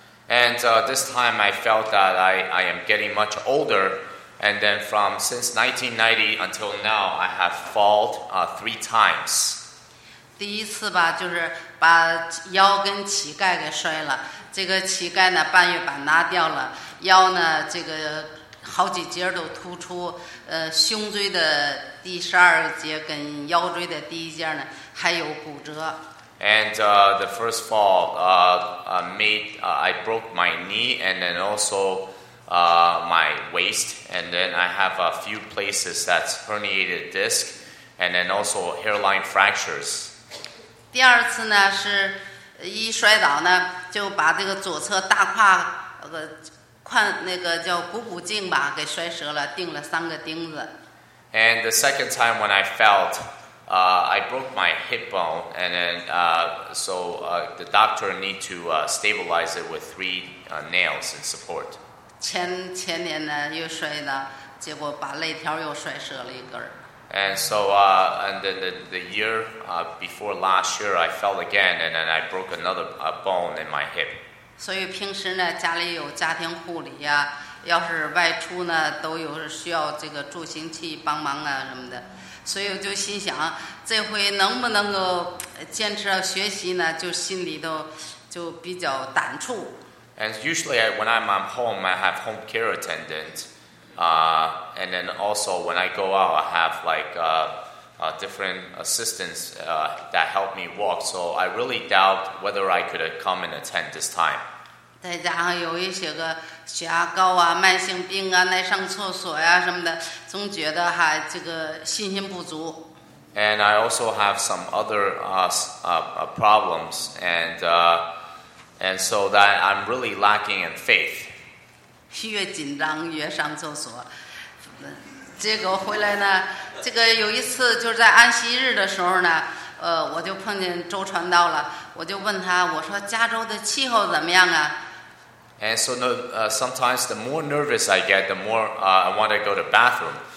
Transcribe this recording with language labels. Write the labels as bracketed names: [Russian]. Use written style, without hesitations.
[English] And this time I felt that I am getting much older. And then from since 1990 until now, I have fallen 3 times. [Chinese] 第一次吧，就是把腰跟膝盖给摔了。这个膝盖呢，半月板拿掉了，腰呢，这个好几节都突出。胸椎的第12节跟腰椎的第1节呢，还有骨折。 [English] And the first fall I broke my knee and then also my waist and then I have a few places that's herniated disc and then also hairline fractures. [Chinese] 第二次呢是一摔倒呢就把这个左侧大胯宽那个叫股骨颈吧给摔折了，钉了3个钉子。 [English] And the second time when I felt. I broke my hip bone, and then the doctor need to stabilize it with 3 nails and support. [Chinese] 前年呢又摔了，结果把肋条又摔折了一根。 [English] And so and then the year before last year, I fell again, and then I broke another bone in my hip. [Chinese] 所以平时呢，家里有家庭护理呀，要是外出呢，都有需要这个助行器帮忙啊什么的。所以我就心想，这回能不能够坚持学习呢？就心里头就比较胆怯。 [English] And usually when I'm at home, I have home care attendant, and then also when I go out, I have like different assistants that help me walk. So I really doubt whether I could come and attend this time. [Chinese] 再加上有一些个血压高啊、慢性病啊、爱上厕所呀、什么的，总觉得哈这个信心不足。 [English] And I also have some other problems, and so that I'm really lacking in faith. [Chinese] 越紧张越上厕所，结果回来呢，这个有一次就是在安息日的时候呢，我就碰见周传道了，我就问他，我说加州的气候怎么样啊？ [English] And so sometimes the more nervous I get, the more I want to go to the bathroom.